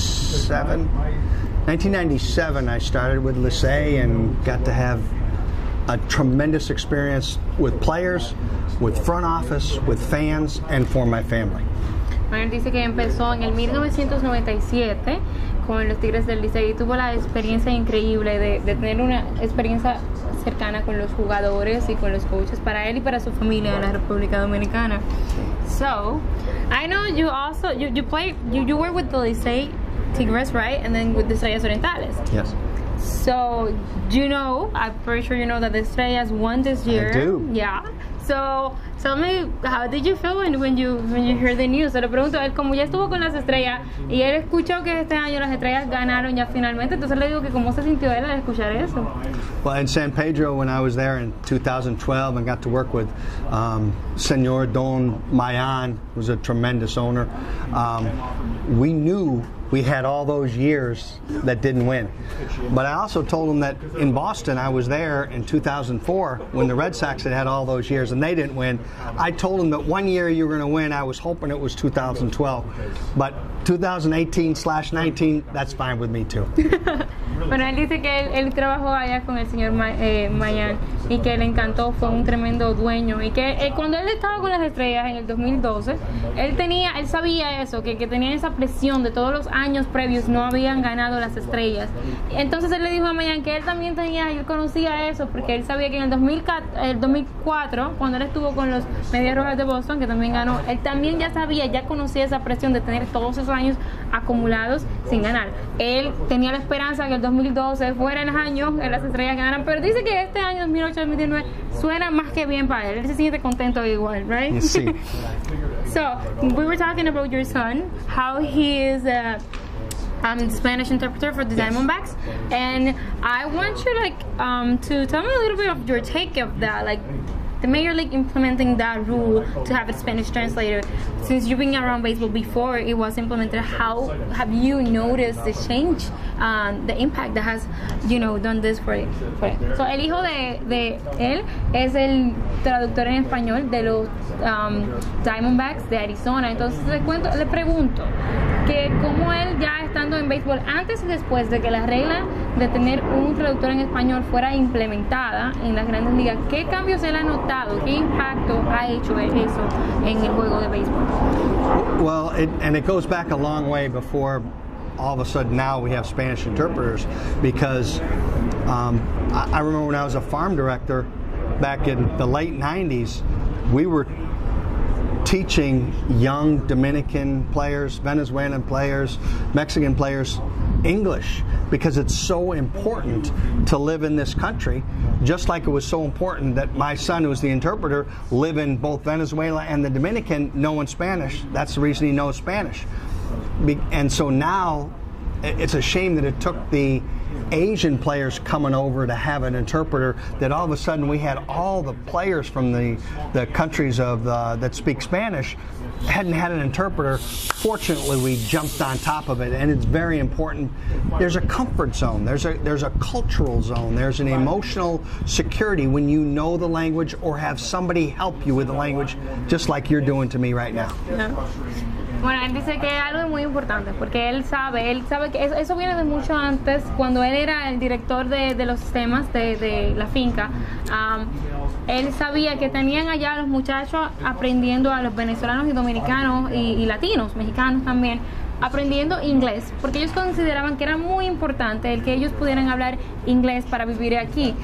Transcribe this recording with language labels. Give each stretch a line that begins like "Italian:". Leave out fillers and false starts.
English: In 1997, I started with Licey and got to have a tremendous experience with players, with front office, with fans, and for my family.
Spanish: Bueno, dice que empezó en el 1997 con los Tigres del Licey y tuvo la experiencia increíble de tener una experiencia cercana con los jugadores y con los coaches para él y para su familia en la República Dominicana.
English: So, I know you also, you were with the Licey Tigres, right? And then with the Estrellas Orientales. Yes. So, you know, I'm pretty sure you know that the Estrellas won this year. I do. Yeah. So, tell me, how did you feel when you heard the news?
Spanish: Se lo pregunto a él, como ya estuvo con las Estrellas, y él escuchó que este año las Estrellas ganaron ya finalmente, entonces le digo que cómo se sintió él al escuchar eso.
English: Well, in San Pedro, when I was there in 2012, I got to work with Señor Don Mayan, who's a tremendous owner. We knew we had all those years that didn't win. But I also told him that in Boston, I was there in 2004 when the Red Sox had all those years and they didn't win. I told him that one year you were going to win, I was hoping it was 2012. But 2018/19, that's fine with me too.
Spanish: Bueno, él dice que él trabajó allá con el señor Mayan y que le encantó, fue un tremendo dueño. Y que cuando él estaba con las Estrellas en el 2012, él sabía eso, que tenía esa presión de todos los años previos no habían ganado las Estrellas. Entonces él le dijo a Mayan que él también tenía, él conocía eso, porque él sabía que en el 2004, cuando él estuvo con los Medias Rojas de Boston, que también ganó, él también ya sabía, ya conocía esa presión de tener todos esos años acumulados sin ganar. Él tenía la esperanza que el 2012 fuera el año en las Estrellas ganaran, pero dice que este año 2008-2019 suena más que bien para él. Él se siente contento igual,
English: right?
Spanish: Sí.
English: So, we were talking about your son, how he is the Spanish interpreter for the yes. Diamondbacks, and I want you to tell me a little bit of your take of that, like the Major League implementing that rule to have a Spanish translator. Since you've been around baseball before it was implemented, how have you noticed the change, the impact that has, you know, done this for it?
Spanish: So el hijo de él es el traductor en español de los Diamondbacks de Arizona. Entonces le pregunto que cómo él ya estando en béisbol antes y después de que la regla de tener un traductor en español fuera implementada en las grandes ligas, ¿qué cambios él ha notado? ¿Qué impacto ha hecho eso en el juego de béisbol?
English: Well, it goes back a long way before all of a sudden now we have Spanish interpreters, because I remember when I was a farm director back in the late 90s, we were teaching young Dominican players, Venezuelan players, Mexican players English, because it's so important to live in this country, just like it was so important that my son, who's the interpreter, live in both Venezuela and the Dominican, knowing Spanish. That's the reason he knows Spanish. And so now, it's a shame that it took the Asian players coming over to have an interpreter, that all of a sudden we had all the players from the countries of that speak Spanish hadn't had an interpreter. Fortunately, we jumped on top of it, and it's very important. There's a comfort zone. There's a cultural zone. There's an emotional security when you know the language or have somebody help you with the language, just like you're doing to me right now. Yeah.
Spanish: Bueno, él dice que algo es muy importante, porque él sabe que eso viene de mucho antes, cuando él era el director de los sistemas de la finca. Él sabía que tenían allá los muchachos aprendiendo a los venezolanos y dominicanos y latinos, mexicanos también, aprendiendo inglés, porque ellos consideraban que era muy importante el que ellos pudieran hablar inglés para vivir aquí.